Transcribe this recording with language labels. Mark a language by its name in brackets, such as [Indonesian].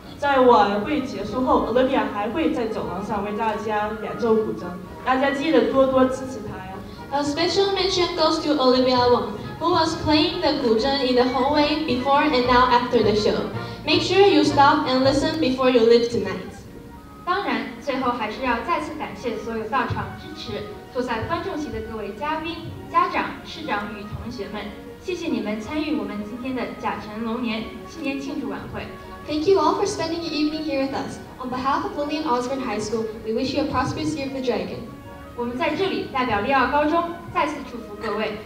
[Chinese] 在晚会结束后 ，Olivia 还会在走廊上为大家演奏古筝，大家记得多多支持她。 [English] A special mention goes to Olivia Wang, who was playing the 古筝 in the hallway before and now after the show. Make sure you stop and listen before you leave tonight. [Chinese] 当然，最后还是要再次感谢所有到场支持、坐在观众席的各位嘉宾、家长、市长与同学们。谢谢你们参与我们今天的甲辰龙年新年庆祝晚会。 [English] Thank you all for spending your evening here with us. On behalf of Lillian Osborne High School, we wish you a prosperous year of the dragon. [Chinese] 我们在这里代表利奥高中再次祝福各位